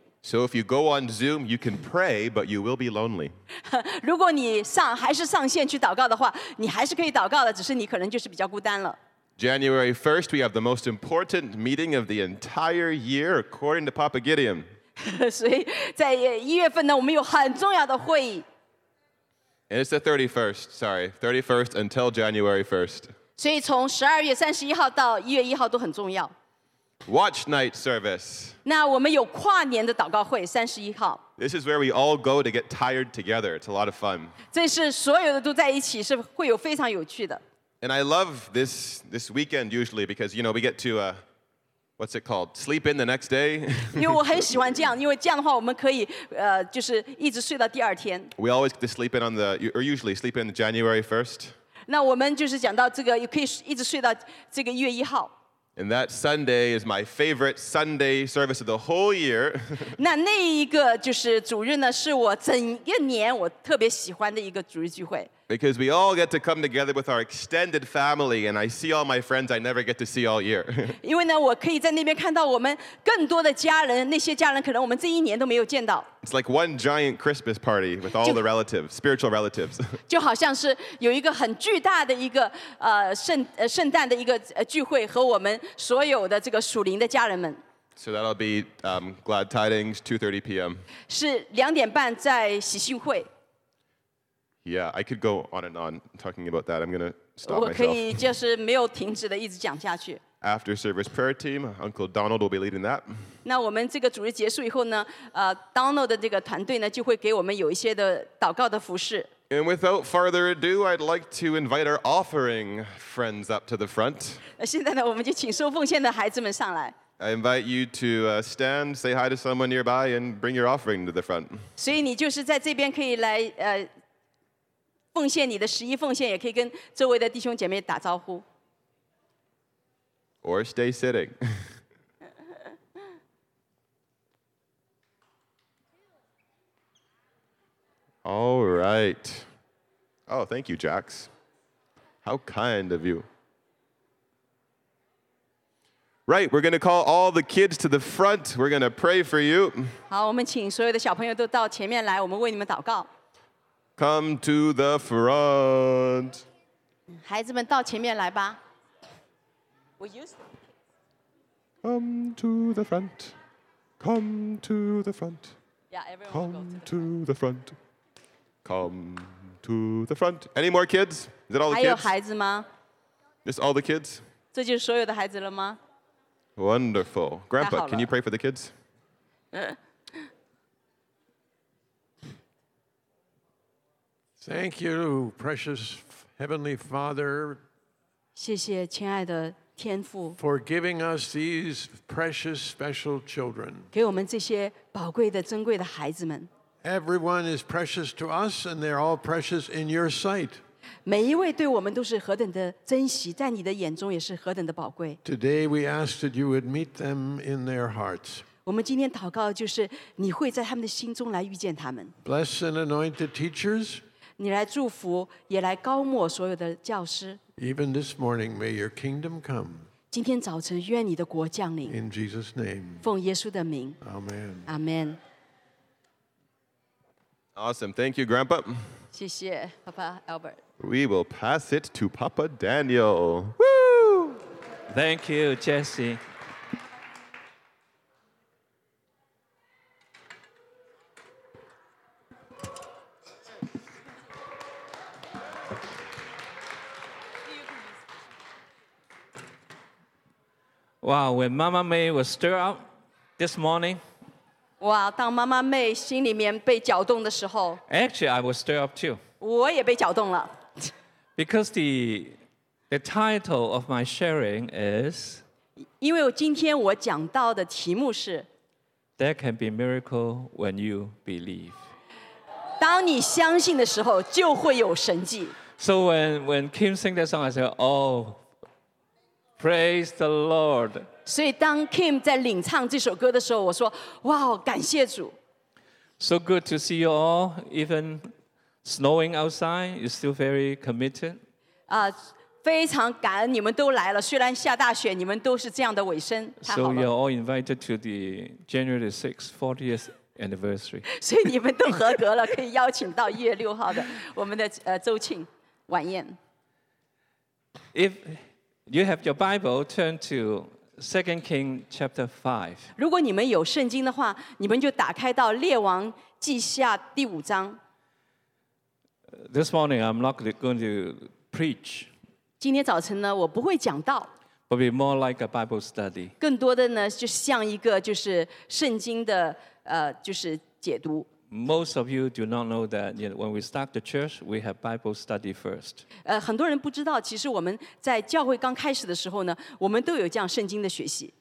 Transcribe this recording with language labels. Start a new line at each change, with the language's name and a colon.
English: So if you go on Zoom, you can pray, but you will be lonely.
Chinese: 如果你还是上线去祷告的话，你还是可以祷告的，只是你可能就是比较孤单了。
English: January 1st, we have the most important meeting of the entire year, according to Papa Gideon.
Chinese: 所以在1月份呢，我们有很重要的会议。
English: And it's the 31st, sorry, 31st until January 1st.
Chinese: 所以从十二月三十一号到一月一号都很重要。
English: Watch night service.
Chinese: 那我们有跨年的祷告会，三十一号。
English: This is where we all go to get tired together. It's a lot of fun.
Chinese: 这是所有的都在一起，是会有非常有趣的。
English: And I love this weekend usually because you know we get to what's it called? Sleep in the next day.
Chinese: 因为我很喜欢这样，因为这样的话我们可以就是一直睡到第二天。
English: We always get to sleep in on the or usually sleep in January 1st.
Chinese: 那我们就是讲到这个，也可以一直睡到这个一月一号。
English: And that Sunday is my favorite Sunday service of the whole year.
Chinese: 那一个就是主日呢，是我整个年我特别喜欢的一个主日聚会。
English: Because we all get to come together with our extended family, and I see all my friends I never get to see all year.
Chinese: 因为呢，我可以在那边看到我们更多的家人，那些家人可能我们这一年都没有见到。
English: It's like one giant Christmas party with all the relatives, spiritual relatives.
Chinese: 就好像是有一个很巨大的一个圣诞的一个聚会和我们所有的这个属灵的家人们。
English: So that'll be glad tidings, 2:30 p.m.
Chinese: 是两点半在喜讯会。
English: Yeah, I could go on and on talking about that. I'm going to stop myself.
Chinese: 我可以就是没有停止的一直讲下去。
English: After service prayer team, Uncle Donald will be leading that.
Chinese: 那我们这个主日结束以后呢，Donald 的这个团队呢就会给我们有一些的祷告的服事。
English: And without further ado, I'd like to invite our offering friends up to the front.
Chinese: 现在呢，我们就请收奉献的孩子们上来。
English: I invite you to stand, say hi to someone nearby, and bring your offering to the front.
Chinese: 所以你就是在这边可以来奉献你的十一奉献，也可以跟周围的弟兄姐妹打招呼。
English: Or stay sitting. All right. Oh, thank you, Jax. How kind of you. Right, we're going to call all the kids to the front. We're going to pray for you.
Chinese: 好，我们请所有的小朋友都到前面来，我们为你们祷告。
English: Come to the front.
Chinese: 孩子们到前面来吧。
English: Come to the front. Come to the front. Yeah, everyone. Come to the front. Come to the front. Any more kids? Is that all the kids?
Chinese: 还有孩子吗？
English: Just all the kids?
Chinese: 这就是所有的孩子了吗？
English: Wonderful. Grandpa, can you pray for the kids? Thank you, precious Heavenly Father.
Chinese: 谢谢亲爱的天父。
English: For giving us these precious, special children.
Chinese: 给我们这些宝贵的、珍贵的孩子们。
English: Everyone is precious to us, and they're all precious in your sight.
Chinese: 每一位对我们都是何等的珍惜，在你的眼中也是何等的宝贵。
English: Today we ask that you would meet them in their hearts.
Chinese: 我们今天祷告就是你会在他们的心中来遇见他们。
English: Bless and anoint the teachers.
Chinese: 你来祝福，也来高抹所有的教师。
English: Even this morning, may your kingdom come.
Chinese: 今天早晨，愿你的国降临。
English: In Jesus' name.
Chinese: 奉耶稣的名。
English: Amen. Amen. Awesome. Thank you, Grandpa.
Chinese: 谢谢 Papa Albert.
English: We will pass it to Papa Daniel. Woo! Thank you, Jesse. Wow, when Mama May was stirred up this morning.
Chinese: Wow, 当妈妈妹心里面被搅动的时候。
English: Actually, I was stirred up too.
Chinese: 我也被搅动了。
English: Because the title of my sharing is.
Chinese: 因为今天我讲到的题目是。
English: There can be miracle when you believe.
Chinese: 当你相信的时候，就会有神迹。
English: So when Kim sang that song, I said, oh. Praise the Lord.
Chinese: 所以当 Kim 在领唱这首歌的时候，我说：“哇，感谢主。”
English: So good to see you all. Even snowing outside, you're still very committed.
Chinese: 非常感恩你们都来了。虽然下大雪，你们都是这样的尾声。
English: So you're all invited to the January 6th 40th anniversary.
Chinese: 所以你们都合格了，可以邀请到一月六号的我们的周庆晚宴。
English: If You have your Bible, turn to 2 Kings chapter 5.
Chinese: 如果你们有圣经的话，你们就打开到列王记下第五章。
English: This morning, I'm not going to preach.
Chinese: 今天早晨呢，我不会讲道。
English: But be more like a Bible study.
Chinese: 更多的呢，就像一个就是圣经的就是解读。
English: Most of you do not know that you know, when we start the church, we have Bible study first.
Chinese: 很多人不知道，其实我们在教会刚开始的时候呢，我们都有这样圣经的学习。